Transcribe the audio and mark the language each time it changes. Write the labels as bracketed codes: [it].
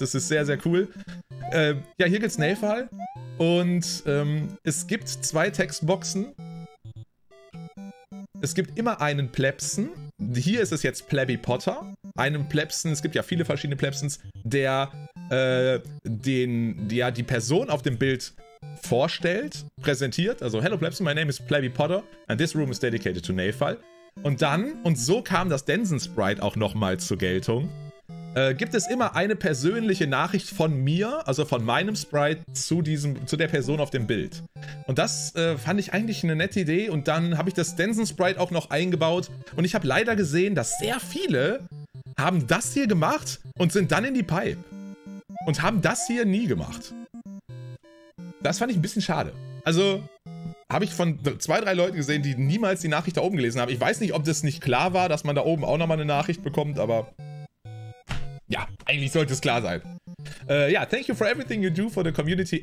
[de] Das ist sehr, sehr cool. Ja, hier gibt's Nelfal. Und es gibt zwei Textboxen. Es gibt immer einen Plebsen. Hier ist es jetzt Plebby Potter. Einen Plebsen, es gibt ja viele verschiedene Plebsens, der die Person auf dem Bild vorstellt, präsentiert. [en] Also, hello Plebsen, my name is Plebby Potter and this room is dedicated to Nelfal. [de] Und dann, und so kam das Densen-Sprite auch nochmal zur Geltung, gibt es immer eine persönliche Nachricht von mir, also von meinem Sprite, zu der Person auf dem Bild. Und das fand ich eigentlich eine nette Idee und dann habe ich das Densen-Sprite auch noch eingebaut und ich habe leider gesehen, dass sehr viele haben das hier gemacht und sind dann in die Pipe und haben das hier nie gemacht. Das fand ich ein bisschen schade. Also habe ich von zwei, drei Leuten gesehen, die niemals die Nachricht da oben gelesen haben. Ich weiß nicht, ob das nicht klar war, dass man da oben auch nochmal eine Nachricht bekommt, aber ja, eigentlich sollte es klar sein. [en] Ja, thank you for everything you do for the community.